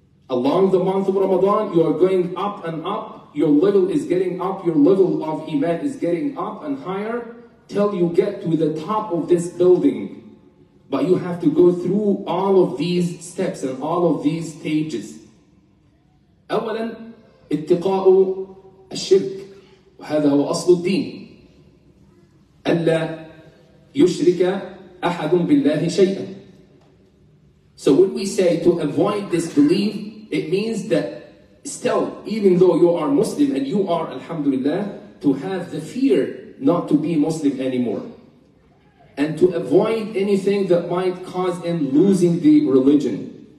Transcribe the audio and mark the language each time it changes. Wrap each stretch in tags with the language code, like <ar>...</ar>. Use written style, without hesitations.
<en>Along the month of Ramadan, you are going up and up. Your level is getting up. Your level of Iman is getting up and higher till you get to the top of this building. But you have to go through all of these steps and all of these stages.</en> <ar>أولا اتقاء الشرك وهذا هو أصل الدين ألا يشرك أحد بالله شيئا.</ar> <en>So when we say to avoid disbelief, it means that still, even though you are Muslim and you are, alhamdulillah, to have the fear not to be Muslim anymore. And to avoid anything that might cause in losing the religion.</en>